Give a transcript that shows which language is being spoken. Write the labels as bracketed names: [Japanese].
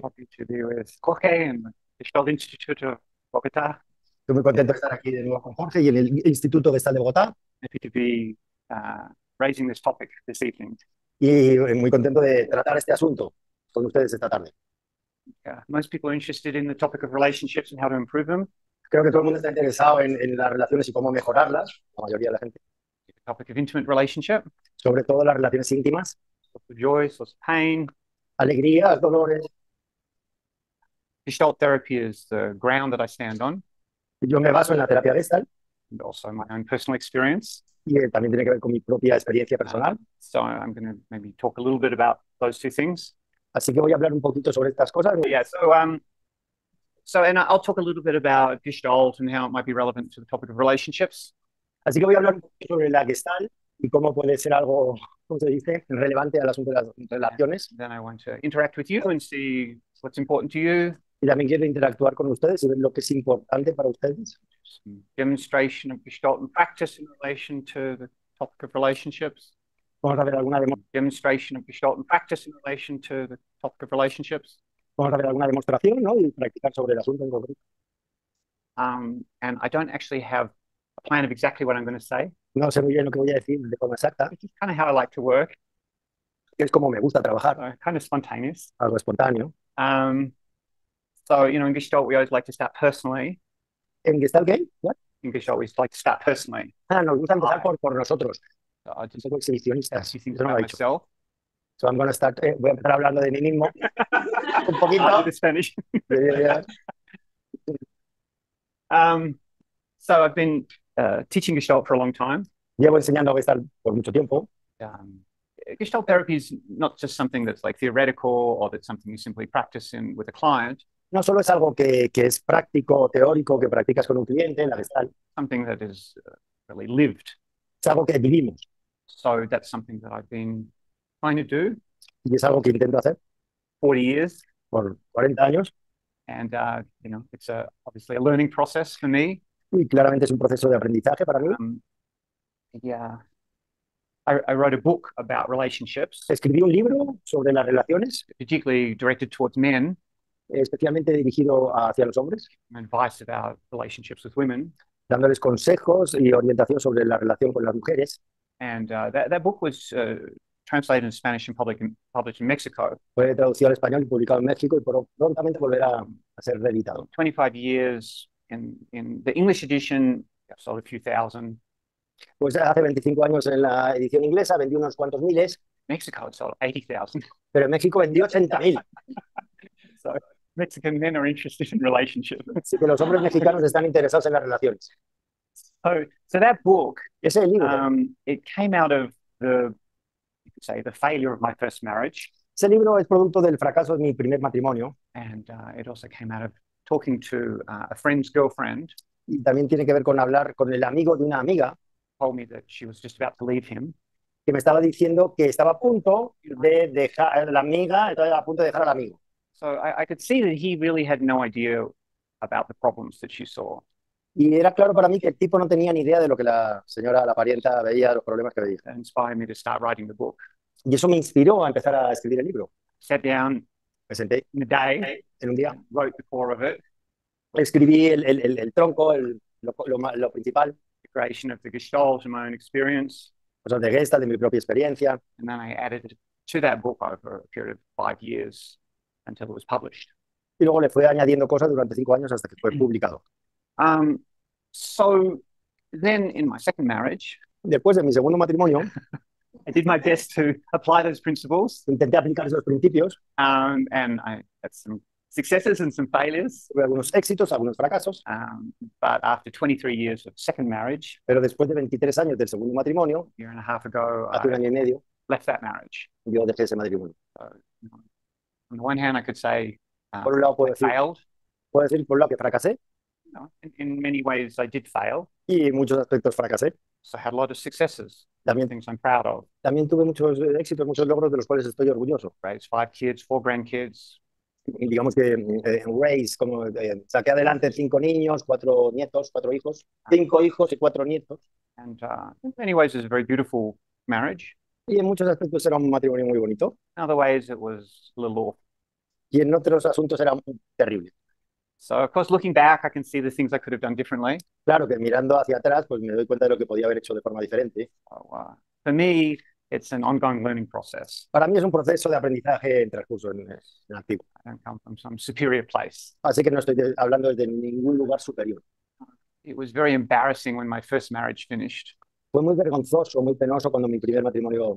[English] Talking to you with Jorge and the Schultz Institute of Bogota. [Spanish] Estoy muy contento de estar aquí de nuevo con Jorge y en el Instituto que está de Bogotá. [English] Happy to be raising this topic this evening. [Spanish] Y muy contento de tratar este asunto con ustedes esta tarde. [English] Yeah, most people are interested in the topic of relationships and how to improve them. [Spanish] Creo que todo el mundo está interesado en las relaciones y cómo mejorarlas, la mayoría de la gente. [English] Topic of intimate relationship, [Spanish] Sobre todo las relaciones íntimas. [English] joys, of pain. [Spanish] Alegrías, dolores. [English] Gestalt therapy is the ground that I stand on, [Spanish] Yo me baso en la terapia Gestalt. [English] and also my own personal experience. [Spanish] Y también tiene que ver con mi propia experiencia personal. [English] So I'm going to maybe talk a little bit about those two things. [Spanish] Así que voy a hablar un poquito sobre estas cosas. [English] Yeah, and I'll talk a little bit about Gestalt and how it might be relevant to the topic of relationships. [Spanish] Así que voy a hablar un poquito sobre la Gestalt y cómo puede ser algo, ¿cómo se dice?, relevante al asunto de las relaciones. [English] Then I want to interact with you and see what's important to [Spanish] Y también quiero interactuar con ustedes y ver lo que es importante para ustedes. [English] you. Some demonstration of Gestalt and practice in relation to the topic of relationships. [Spanish] Vamos a ver alguna demostración. [English] Demonstration of Gestalt and practice in relation to the topic of relationships. [Spanish] Vamos a ver alguna demostración, ¿no? Y practicar sobre el asunto en concreto. [English] And I don't actually have a plan of exactly what I'm going to say. [Spanish] No sé muy bien lo que voy a decir de forma exacta. [English] It's just kind of how I like to work. [Spanish] Es como me gusta trabajar, [English] Kind of spontaneous. [Spanish] algo espontáneo. [English] In Gestalt, we always like to start personally. ¿En Gestalt Game? ¿What? In Gestalt, we like to start personally. [Spanish] Ah, nos gusta empezar [English] I. [Spanish] por nosotros. [English] So I'll [Spanish] Un poco [English] just [Spanish] exhibicionistas, [English] do things [Spanish] eso no [English] about [Spanish] lo he dicho. [English] myself. So I'm gonna start, [Spanish] voy a empezar hablando de mí mismo. Un [English] I'll do [Spanish] poquito. [English] the Spanish. Yeah. So I've been teaching Gestalt for a long time. [Spanish] Llevo enseñando a estar por mucho tiempo. [English] Gestalt therapy is not just something that's like theoretical or that's something you simply practice in with a client. [Spanish] No solo es algo que es práctico o teórico que practicas con un cliente en la Gestalt. [English] Something that is really lived. [Spanish] Es algo que vivimos. [English] So that's something that I've been trying to do [Spanish] Y es algo que intento hacer [English] 40 years. [Spanish] por 40 años. [English] And it's a obviously a learning process for me. [Spanish] Y claramente es un proceso de aprendizaje para mí. [English] I wrote a book about relationships, [Spanish] Escribí un libro sobre las relaciones, [English] particularly directed towards men, [Spanish] especialmente dirigido hacia los hombres, [English] and advice about relationships with women. [Spanish] dándoles consejos y orientación sobre la relación con las mujeres. [English] And that book was translated in Spanish and published in Mexico. [Spanish] Fue traducido al español y publicado en México y prontamente volverá a ser reeditado. [English] 25 years in the English edition, sold a few thousand. [Spanish] Pues hace 25 años en la edición inglesa vendió unos cuantos miles, [English] Mexico had sold 80,000. [Spanish] pero en México vendió 80.000. [English] So, Mexican men are interested in relationships. [Spanish] Así que los hombres mexicanos están interesados en las relaciones. [English] So that book, [Spanish] Ese es el libro. [English] it came out of the, you could say, the failure of my first marriage. [Spanish] Ese libro es producto del fracaso de mi primer matrimonio. [English] And it also came out of talking to a friend's girlfriend. [Spanish] Y también tiene que ver con hablar con el amigo de una amiga [English] Told me that she was just about to leave him. [Spanish] que me estaba diciendo que estaba a punto de dejar a la amiga, estaba a punto de dejar al amigo. [English] So I could see that he really had no idea about the problems that she saw. [Spanish] Y era claro para mí que el tipo no tenía ni idea de lo que la señora, la parienta, veía, los problemas que veía. [English] That inspired me to start writing the book. [Spanish] Y eso me inspiró a empezar a escribir el libro. [English] Sat down [Spanish] Me senté [English] in a day [Spanish] en un día. [English] and wrote the core of it. [Spanish] Escribí el tronco, lo principal. [English] The creation of the Gestalt and my own experience. [Spanish] Cosas de Gestalt, de mi propia experiencia. [English] And then I added to that book over a period of 5 years. Until it was published. [Spanish] Y luego le fue añadiendo cosas durante 5 años hasta que fue publicado. [English] So then in my second marriage, [Spanish] Después de mi segundo matrimonio, [English] I did my best to apply those principles. [Spanish] intenté aplicar esos principios. [English] And I had some successes and some failures. [Spanish] Tuve algunos éxitos, algunos fracasos. [English] But after 23 years of second marriage, [Spanish] Pero después de 23 años del segundo matrimonio, [English] a year and a half ago, [Spanish] hace un [English] I [Spanish] año y medio, [English] left that marriage. [Spanish] yo dejé ese matrimonio. [English] So, on the one hand, I could say [Spanish] Por un lado [English] I failed. [Spanish] puedo decir por un lado que fracasé [English] No, in many ways, I did fail. [Spanish] y en muchos aspectos fracasé. [English] So I had a lot of successes, [Spanish] También [English] things I'm proud of. [Spanish] tuve muchos éxitos, muchos logros de los cuales estoy orgulloso. [English] Raised five kids, four grandkids. [Spanish] digamos que raise, como saqué adelante cinco niños, cuatro nietos, cuatro hijos, cinco hijos y cuatro nietos. [English] And in many ways, it's a very beautiful marriage. [Spanish] Y en muchos aspectos era un matrimonio muy bonito. [English] In other ways, it was a little awful. [Spanish] Y en otros asuntos era muy terrible. [English] So, of course, looking back, I can see the things I could have done differently. [Spanish] Claro que mirando hacia atrás, pues me doy cuenta de lo que podía haber hecho de forma diferente. [English] For me, it's an ongoing learning process. [Spanish] Para mí es un proceso de aprendizaje en transcurso, en activo. [English] I don't come from some superior place. [Spanish] Así que no estoy hablando desde ningún lugar superior. [English] It was very embarrassing when my first marriage finished. [Spanish] Fue muy vergonzoso, muy penoso cuando mi primer matrimonio